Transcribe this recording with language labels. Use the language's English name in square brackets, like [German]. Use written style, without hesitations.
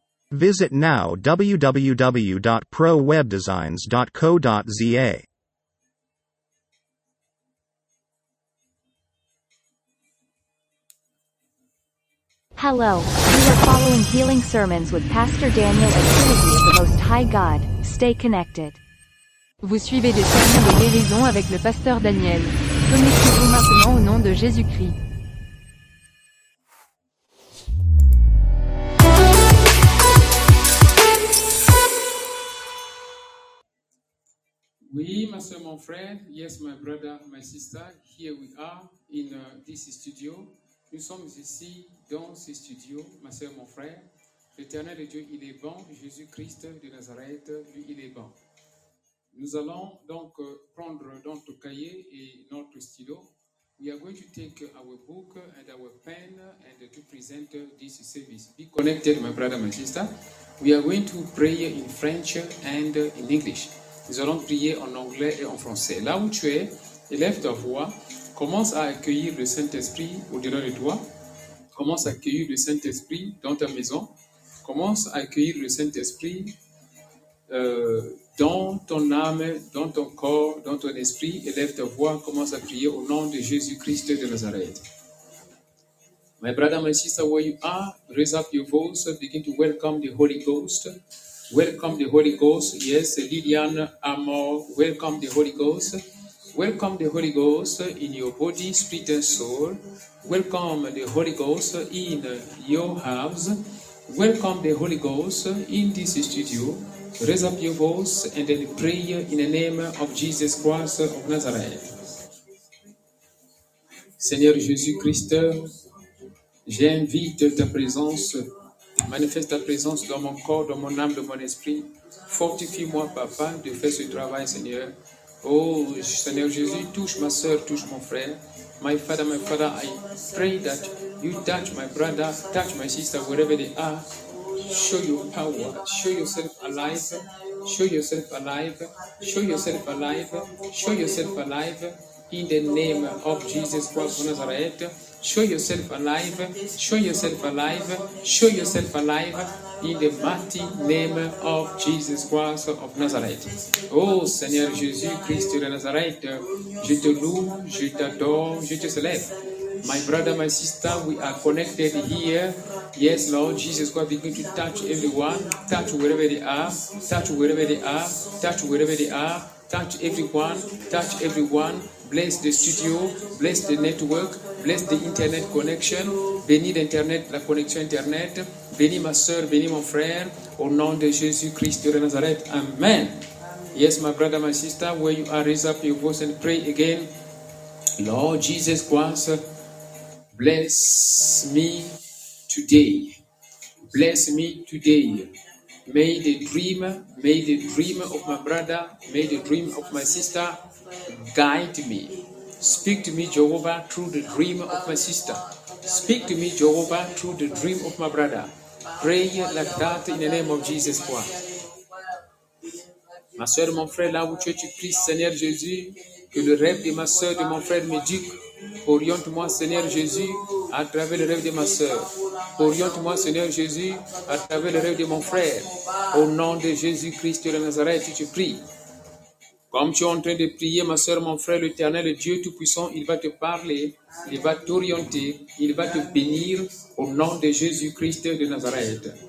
[English] Visit now www.prowebdesigns.co.za. Hello, you are following Healing Sermons with Pastor Daniel at Trinity of the Most High God. Stay connected. [French] Vous suivez des sermons de guérison avec le pasteur Daniel. Connectez-vous maintenant au nom de Jésus-Christ. Oui, ma soeur, mon frère. [English] Yes, my brother, my sister. Here we are in this studio. [French] Nous sommes ici dans ce studio, ma soeur, mon frère. L'Éternel de Dieu, il est bon. Jésus-Christ de Nazareth, lui, il est bon. Nous allons donc prendre notre cahier et notre stylo. [English] We are going to take our book and our pen and to present this service. Be connected, my brother, my sister. We are going to pray in French and in English. [French] Nous allons prier en anglais et en français. Là où tu es, élève ta voix, commence à accueillir le Saint-Esprit au-delà de toi. Commence à accueillir le Saint-Esprit dans ta maison. Commence à accueillir le Saint-Esprit dans ton âme, dans ton corps, dans ton esprit. Élève ta voix, commence à prier au nom de Jésus-Christ de Nazareth. [English] My brother, my sister, where you are, raise up your voice, begin to welcome the Holy Ghost. Welcome the Holy Ghost. Yes, Lillian Amor, welcome the Holy Ghost. Welcome the Holy Ghost in your body, spirit, and soul. Welcome the Holy Ghost in your house. Welcome the Holy Ghost in this studio. Raise up your voice and then pray in the name of Jesus Christ of Nazareth. [French] Seigneur Jésus-Christ, j'invite ta présence, manifeste ta présence dans mon corps, dans mon âme, dans mon esprit. Fortifie-moi, Papa, de faire ce travail, Seigneur. Oh, Seigneur Jésus, touche ma soeur, touche mon frère. [English] My Father, I pray that you touch my brother, touch my sister, wherever they are. Show your power, show yourself alive, show yourself alive, show yourself alive, show yourself alive. In the name of Jesus Christ of Nazareth, show yourself alive, show yourself alive, show yourself alive, in the mighty name of Jesus Christ of Nazareth. [French] Oh Seigneur Jésus Christ de Nazareth, je te loue, je t'adore, je te célèbre. [English] My brother, my sister, we are connected here. Yes, Lord Jesus Christ, begin to touch everyone, touch wherever they are, touch wherever they are, touch wherever they are, touch everyone, touch everyone. Bless the studio, bless the network, bless the internet connection, [French] bénis l'internet, la connexion internet, bénis ma soeur, bénis mon frère, au nom de Jésus Christ de Nazareth, Amen. [English] Yes, my brother, my sister, where you are, raise up your voice and pray again. Lord Jesus Christ, bless me today. Bless me today. May the dream of my brother, may the dream of my sister, guide me. Speak to me, Jehovah, through the dream of my sister. Speak to me, Jehovah, through the dream of my brother. Pray like that in the name of Jesus Christ. [French] Ma soeur, mon frère, là où tu es, tu pries, Seigneur Jésus, que le rêve de ma soeur, de mon frère m'éduque. Oriente-moi, Seigneur Jésus, à travers le rêve de ma soeur. Oriente-moi, Seigneur Jésus, à travers le rêve de mon frère. Au nom de Jésus-Christ de Nazareth, tu pries. Comme tu es en train de prier, ma soeur, mon frère, l'Éternel, le Dieu Tout-Puissant, il va te parler, il va t'orienter, il va te bénir au nom de Jésus-Christ de Nazareth.